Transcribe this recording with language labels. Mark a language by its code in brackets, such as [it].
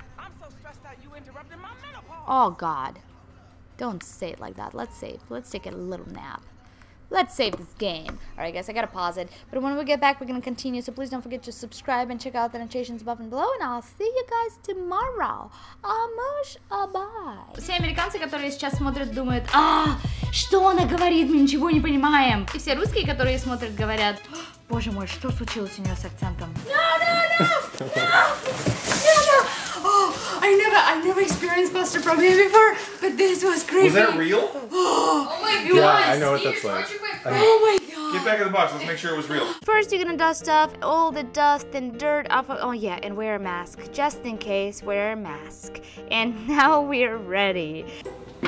[en] I'm so stressed out you interrupted my menopause. Oh, God. Don't say it like that. Let's save. Let's take a little nap. Let's save this game. All right, guys, I gotta pause it. But when we get back, we're gonna continue. So please don't forget to subscribe and check out the notifications above and below. And I'll see you guys tomorrow. Амош, bye. [ru] Все американцы, которые сейчас смотрят, думают, а что она говорит, мы ничего не понимаем. И все русские, которые смотрят, говорят, боже мой, что случилось у нее с акцентом? [en] I never experienced Buster from here before, but this was crazy. Was that real? Oh my god. Yeah, I know what that's like. Oh my god. Get back in the box. Let's make sure it was real. First, you're going to dust off all the dust and dirt off of... Oh, yeah, and wear a mask. Just in case, wear a mask. And now we're ready.